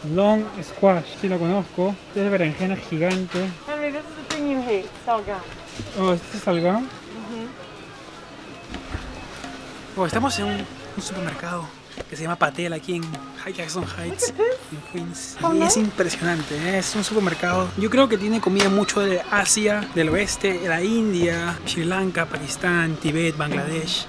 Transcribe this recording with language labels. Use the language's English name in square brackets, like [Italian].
[Spanish] Long squash, sí lo conozco. Este es berenjena gigante. [English] Henry, this is the thing you hate, salgam. [Spanish] Oh, ¿este es salgam? Oh, estamos en un supermercado que se llama Patel aquí en High Jackson Heights en Queens. Y es impresionante, ¿eh? Es un supermercado. Yo creo que tiene comida mucho de Asia, del oeste, de la India, Sri Lanka, Pakistán, Tibet, Bangladesh.